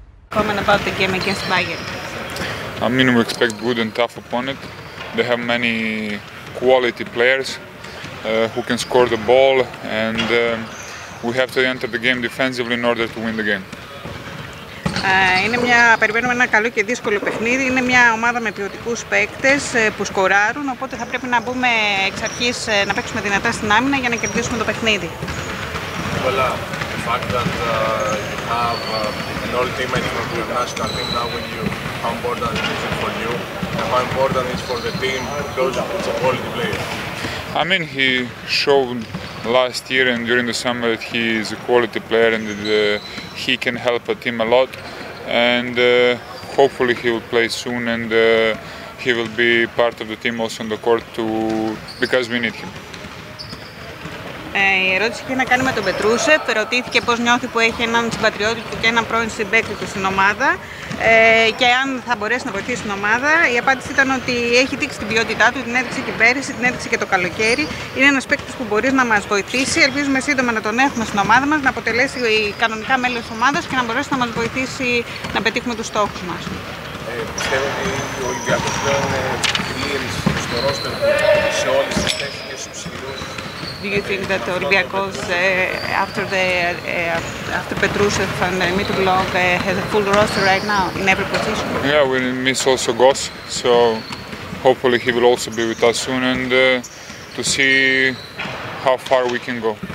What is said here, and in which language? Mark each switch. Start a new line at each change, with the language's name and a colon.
English: comment about the game against Bayern? I mean, we expect good and tough opponent. They have many quality players who can score the ball, and we have to enter the game defensively in order to win the game.
Greek: Είναι μια, περιμένουμε ένα καλό και δύσκολο παιχνίδι. Είναι μια ομάδα με ποιοτικούς παίκτες που σκοράρουν, οπότε θα πρέπει να μπούμε εξ αρχής να παίξουμε δυνατά στην άμυνα για να κερδίσουμε το παιχνίδι.
English: Well, the fact that you have an old teammate from your national team now with you, how important is it for you? And how important is for the team because it's a quality player? I mean, he showed last year and during the summer that he is a quality player and that he can help a team a lot, and hopefully he will play soon and he will be part of the team also on the court to because we need him.
Greek: Η ερώτηση είχε να κάνει με τον Πετρούσεφ. Ρωτήθηκε πώς νιώθει που έχει έναν συμπατριώτη του και έναν πρώην συμπαίκτη του στην ομάδα και αν θα μπορέσει να βοηθήσει την ομάδα. Η απάντηση ήταν ότι έχει δείξει την ποιότητά του, την έδειξε και πέρυσι, την έδειξε και το καλοκαίρι. Είναι ένας παίκτης που μπορεί να μας βοηθήσει. Ελπίζουμε σύντομα να τον έχουμε στην ομάδα μας, να αποτελέσει κανονικά μέλος της ομάδας και να μπορέσει να μας βοηθήσει να πετύχουμε τους στόχους μας. Πιστεύω ότι ο Ολυμπιακός πλέον στο ρόστερ σε όλες τις θέσεις και στους ψηλούς.
English: Do you think that Olympiacos, after the after Petrušev and Mitrović, has a full roster right now in every position? Yeah, we miss also Goss, so hopefully he will also be with us soon and to see how far we can go.